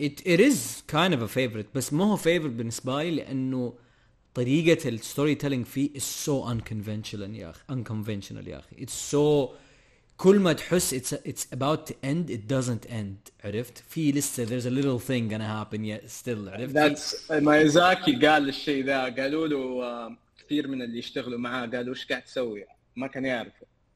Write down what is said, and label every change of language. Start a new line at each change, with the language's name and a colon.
English: It is kind of a favorite
Arabic: بس ما هو
English: favorite
Arabic: بالنسبة لي لأنه طريقة الستوري تيلينج فيه
English: is so unconventional
Arabic: يا أخي.
English: Unconventional
Arabic: يا أخي.
English: It's so
Arabic: كل ما تحس
English: it's about to end it doesn't end.
Arabic: عرفت في لسه
English: there's a little thing gonna happen yet still.
Arabic: عرفت
English: that's
Arabic: ميازاكي قال الشيء ذا قالوا له كثير من اللي يشتغلوا معاه قالوا إيش قاعد تسوي ما كان يعرفه.